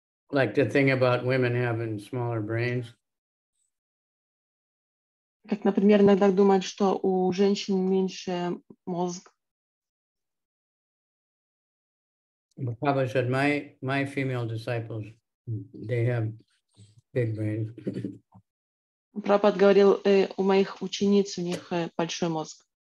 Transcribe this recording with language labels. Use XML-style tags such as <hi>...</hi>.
<en>Like the thing about women having smaller brains.</en> <ru>Как, например, иногда думают, что у женщин меньше мозг.</ru> <en>Prabhupada said, my female disciples, they have big brains.</en> <ru>Prabhupada говорил, у моих учениц, у них большой мозг.</ru>